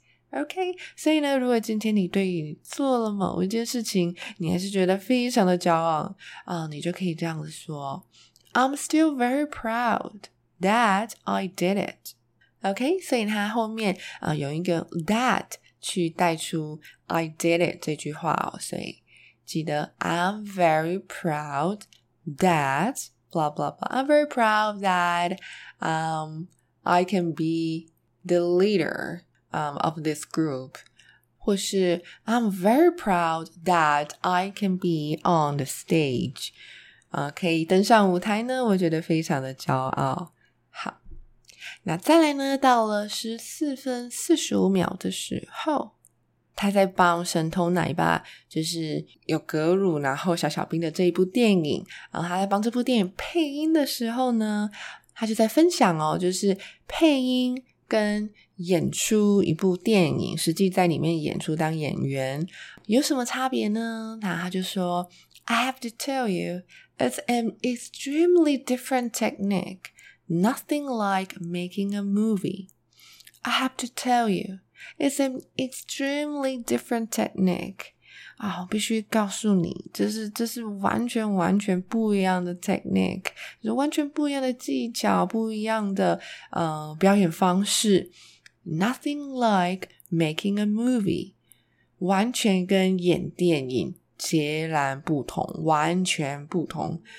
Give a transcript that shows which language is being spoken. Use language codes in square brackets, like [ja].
[zh] OK, 所以呢，如果今天你对你做了某一件事情，你还是觉得非常的骄傲啊，你就可以这样子说 [en] I'm still very proud that I did it. [zh] OK, 所以它后面有一个 that 去带出 [en] I did it [zh] 这句话哦，所以记得 [en] I'm very proud that blah blah [zh] blah, [en] I'm very proud that I can be the leader of this group, [zh] 或是 [en] I'm very proud that I can be on the stage, [zh] 可以登上舞台呢，我觉得非常的骄傲。那再来呢，到了14分45秒的时候，他在帮神偷奶爸，就是有格鲁然后小小兵的这一部电影，然后他在帮这部电影配音的时候呢，他就在分享哦，就是配音跟演出一部电影，实际在里面演出当演员有什么差别呢？那他就说 [en] I have to tell you, it's an extremely different techniqueNothing like making a movie. I have to tell you, it's an extremely different technique. [zh] 啊，我必须告诉你，这是完全完全不一样的 technique， 就是完全不一样的技巧，不一样的表演方式。 [en] Nothing like making a movie. [zh] 完全跟演电影截然不同，完全不同。